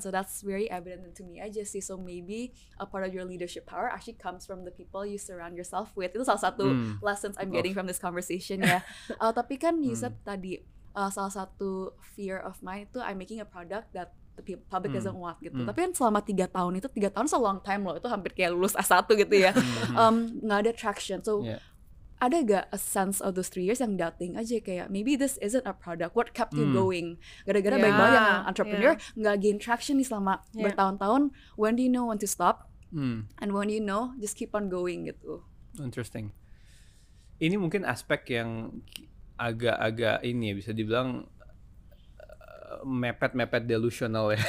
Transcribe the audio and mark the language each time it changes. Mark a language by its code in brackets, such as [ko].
[en] So that's very evident to me aja sih. So maybe a part of your leadership power actually comes from the people you surround yourself with. [id] Itu salah satu [en] lessons I'm getting from this conversation ya. Tapi kan you said tadi, salah satu fear of mine itu I'm making a product that the public doesn't want gitu. [id] Tapi kan selama 3 tahun itu, 3 tahun [en] is a long time [id] loh, itu hampir kayak lulus S1 gitu ya. Gak ada traction. [en] So ada gak a sense of those 3 years yang doubting aja kayak maybe this isn't a product, what kept you going? [id] Gara-gara banyak yang entrepreneur gak gain traction nih selama bertahun-tahun. [en] When do you know when to stop? And when do you know just keep on going gitu. Interesting. [id] Ini mungkin aspek yang agak-agak ini ya, bisa dibilang mepet-mepet delusional ya.